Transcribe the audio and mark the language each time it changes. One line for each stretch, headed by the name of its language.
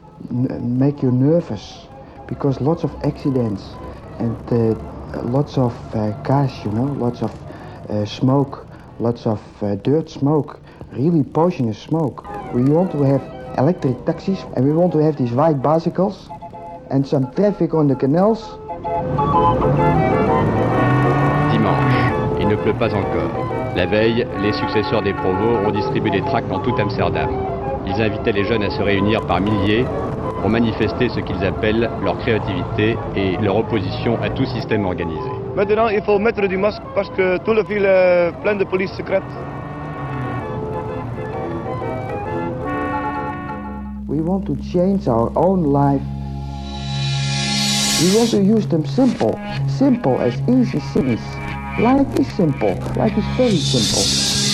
English: make you nervous because lots of accidents and lots of cars, you know, lots of smoke, lots of dirt smoke, really poisonous smoke. We want to have electric taxis and we want to have these white bicycles and some traffic on the canals.
French: Dimanche, il ne pleut pas encore. La veille, les successeurs des provôts ont distribué des tracts dans tout Amsterdam. Ils invitaient les jeunes à se réunir par milliers pour manifester ce qu'ils appellent leur créativité et leur opposition à tout système organisé. Maintenant, il faut mettre du masque parce que tout le ville est plein de police secrète.
English: We want to change our own life. We want to use them simple, simple as easy things. Life is simple, life is very simple.